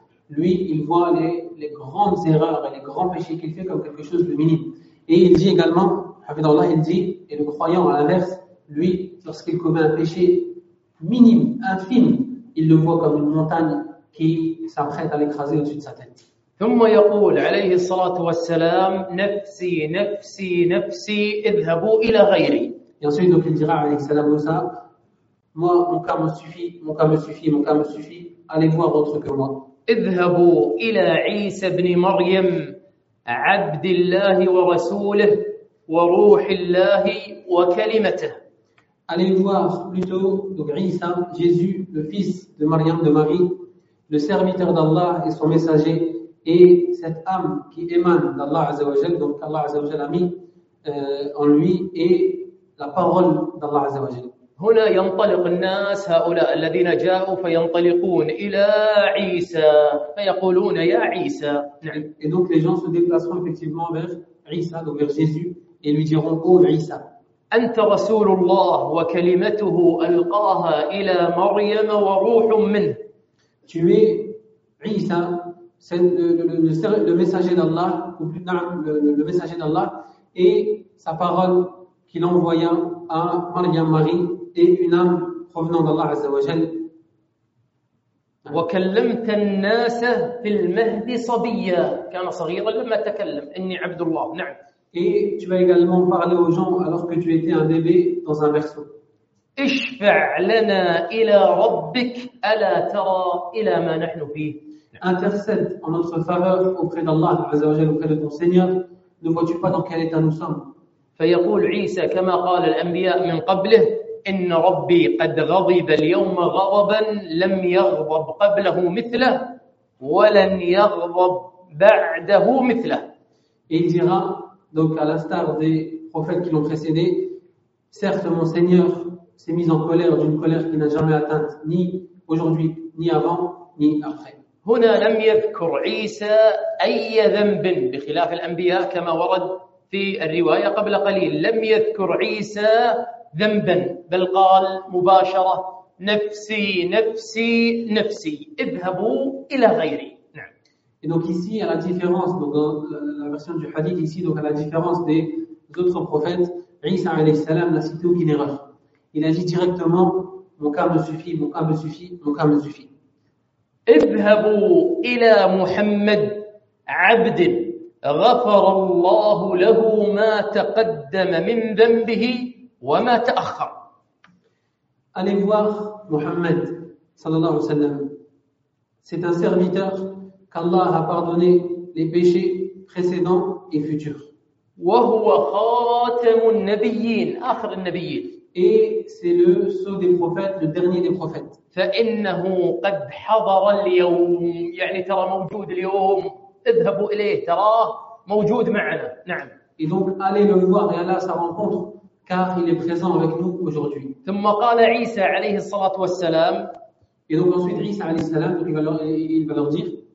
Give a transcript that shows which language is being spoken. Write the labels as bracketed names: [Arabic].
[French] Lui, il voit les grandes erreurs et les grands péchés qu'il fait comme quelque chose de minime. Et il dit également, Hafidhahullah, il dit, et le croyant à l'inverse, lui, lorsqu'il commet un péché minime, infime, il le voit comme une montagne qui s'apprête à l'écraser au-dessus de sa tête. [Arabic] ثم يقول عليه الصلاة والسلام نفسي نفسي نفسي اذهبوا إلى غيري. يسوع يقول عليه الصلاة والسلام مكان مسفي [French] allez-vous à votre que moi. [Arabic] اذهبوا إلى عيسى بن مريم عبد الله ورسوله وروح الله وكلمته. [French] allez voir plutôt donc Isa, Jésus, le fils de Mariam de Marie, le serviteur d'Allah et son messager. Et cette âme qui émane d'Allah Azza wa Jal, donc qu'Allah Azza wa Jal a mis en lui, et la parole d'Allah Azza wa Jal. [Arabic] هنا ينطلق الناس هؤلاء الذين جاءوا فينطلقون إلى عيسى فيقولون يا عيسى. [French] Et donc les gens se déplaceront effectivement vers Isa, donc vers Jésus, et lui diront ô Isa. [Arabic] أنت رسول الله وكلمته ألقاها إلى مريم وروح منه. [French] Tu es Isa. C'est le messager d'Allah, ou plus tard, le messager d'Allah, et sa parole qu'il envoya à Maryam Marie et une âme provenant d'Allah Azza wa Jal. [Arabic] وكلمت الناس في المهد صبيا كان صغيرا لما تكلم إني عبد الله. نعم. [French] Et tu vas également parler aux gens alors que tu étais un bébé dans un berceau. [Arabic] اشفع لنا إلى ربك ألا ترى إلى ما نحن فيه. [French] Intercède en notre faveur auprès d'Allah, Azza wa Jal, auprès de ton Seigneur. Ne vois-tu pas dans quel état nous sommes? [Arabic] فيقول عيسى كما قال الأنبياء من قبله إن ربي قد غضب اليوم غضبا لم يغضب قبله مثله ولن يغضب بعده مثله. [French] Il dira donc à l'instar des prophètes qui l'ont précédé, certes mon Seigneur s'est mis en colère d'une colère qui n'a jamais atteinte ni aujourd'hui ni avant ni après. [Arabic] هنا لم يذكر عيسى أي ذنب بخلاف الأنبياء كما ورد في الرواية قبل قليل لم يذكر عيسى ذنبا بل قال مباشرة نفسي نفسي نفسي اذهبوا إلى غيري. نعم. [French] Et donc ici à la différence donc dans la version du hadith ici donc à la différence des autres prophètes عيسى عليه السلام n'a cité aucune erreur. Il a dit directement mon cas me suffit, mon cas me suffit, mon cas me suffit. [Arabic] اذهبوا إلى محمد عبد غفر الله له ما تقدم من ذنبه وما تأخر. [French] Allez voir محمد صلى الله عليه وسلم. C'est un serviteur qu'Allah a pardonné les péchés précédents et futurs. [Arabic] وهو خاتم النبيين آخر النبيين. [French] Et c'est le sceau des prophètes, le dernier des prophètes. [Arabic] فإنه قد حضر اليوم يعني ترى موجود اليوم اذهبوا إليه تراه موجود معنا. نعم. [French] Et donc allez le voir et allez à sa rencontre car il est présent avec nous aujourd'hui. [Arabic] ثم قال عيسى عليه الصلاة والسلام. [French] Et donc ensuite عيسى عليه السلام il va leur dire.